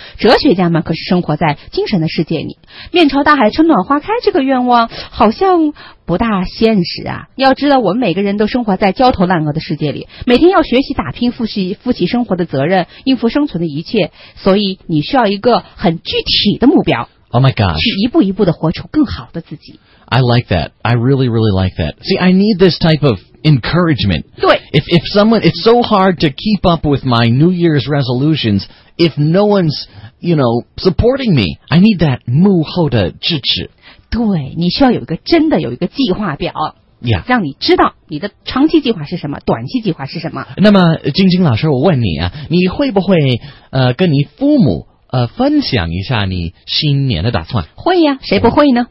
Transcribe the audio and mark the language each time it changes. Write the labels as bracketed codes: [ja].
[zh] 哲学家们可是生活在精神的世界里。面朝大海春暖花开这个愿望好像不大现实啊。要知道我们每个人都生活在焦头烂额的世界里，每天要学习打拼，负起生活的责任，应付生存的一切，所以你需要一个很具体的目标。 [en] Oh my gosh. [zh] 去一步一步地活出更好的自己。 [en] I like that. I really, really like that. See, I need this type of encouragement. [zh] 对。 [en] If someone, it's so hard to keep up with my New Year's resolutions if no one's, you know, supporting me. I need that [zh] 幕后的支持。对，你需要有一个真的有一个计划表。 [en] Yeah. [zh] 让你知道你的长期计划是什么，短期计划是什么。那么，晶晶老师，我问你啊，你会不会跟你父母分享一下你新年的打算？会呀，谁不会呢？